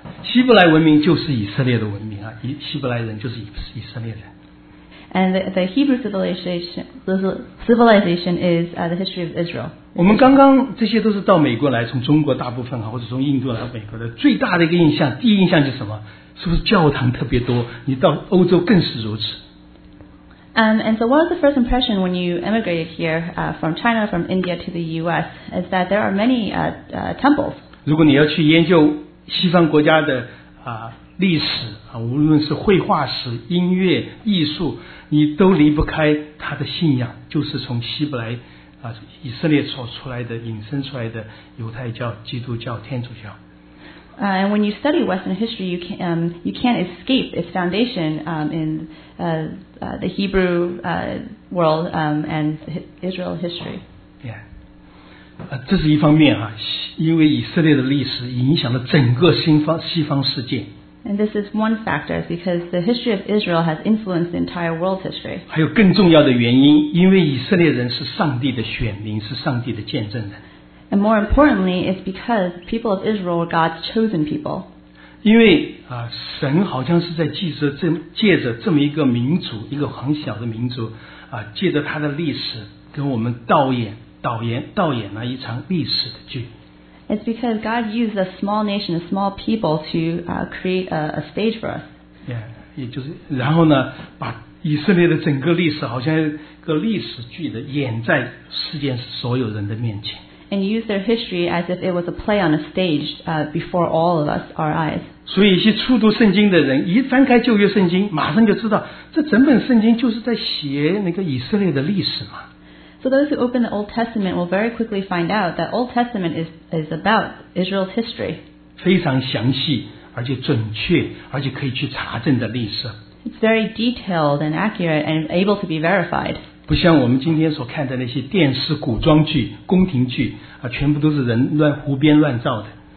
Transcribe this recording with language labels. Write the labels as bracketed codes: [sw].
[zh] 希伯来文明就是以色列的文明希伯来人就是 以色列人。 [en] And the Hebrew civilization is the history of Israel. [zh] 我们刚刚这些都是到美国来，从中国大部分或者从印度来美国的，最大的一个印象，第一印象就是什么？是不是教堂特别多？你到欧洲更是如此。 [en] And so, what was the first impression when you emigrated here from China, from India to the U.S. is that there are many temples. [zh] 如果你要去研究西方国家的历史无论是绘画史、音乐、艺术，你都离不开他的信仰，就是从希伯来以色列所出来的、引申出来的犹太教、基督教、天主教。 [en] And when you study Western history, you can't escape its foundation the Hebrew world and Israel history. Yeah. [zh] 这是一方面因为以色列的历史影响了整个西方世界。 [en] And this is one factor because the history of Israel has influenced the entire world history. [zh] 还有更重要的原因，因为以色列人是上帝的选民，是上帝的见证人。 [en] And more importantly, it's because people of Israel were God's chosen people. [zh] 因为神好像是在借着这么一个民族，一个很小的民族借着他的历史跟我们导演了一场历史的剧。 [en] It's because God used a small nation, a small people to create a stage for us. [zh] Yeah, 也就是然后呢，把以色列的整个历史好像一个历史剧的演在世界所有人的面前。 [en] And use their history as if it was a play on a stage before all of us, our eyes. [zh] 所以一些初读圣经的人一翻开旧约圣经马上就知道这整本圣经就是在写那个以色列的历史嘛。 [en] So those who open the Old Testament will very quickly find out that Old Testament is about Israel's history. [zh] 非常详细而且准确而且可以去查证的历史。 [en] It's very detailed and accurate and able to be verified. [zh] 不像我们今天所看的那些电视古装剧、宫廷剧全部都是人乱胡编乱造的。